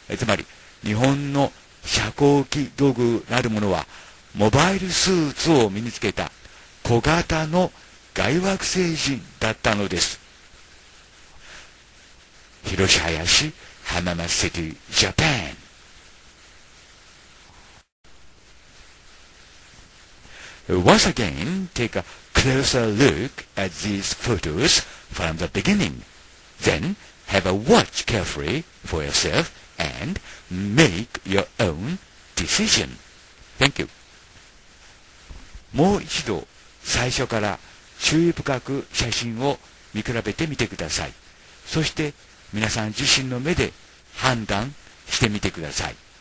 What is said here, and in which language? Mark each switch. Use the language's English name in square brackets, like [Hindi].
[Japanese] つまり日本の遮光器土偶なるものはモバイルスーツを身につけた小型の外惑星人だったのです。広志林浜松セティジャパン。 [English] Once again, take a closer look at these photos from the beginning. Then, have a watch carefully for yourself and make your own decision. Thank you. [Japanese] もう一度、最初から注意深く写真を見比べてみてください。そして、皆さん自身の目で判断してみてください。